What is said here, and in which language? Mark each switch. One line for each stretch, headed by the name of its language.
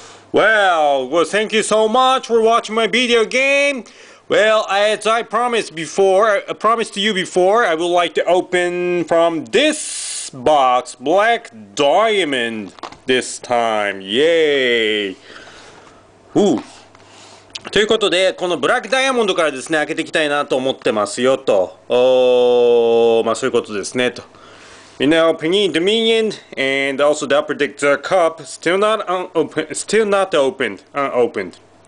English: Well, thank you so much for watching my video game. Well, as I promised before, I promised to you before, I would like to open from this box, Black Diamond, this time. Yay! Ooh!
Japanese: ということで、このブラックダイヤモンドからですね、開けていきたいなと思ってますよと。まあそういうことですねと。みんな、
English: Panini Dominion and also the Upper Deck Cup, still not opened.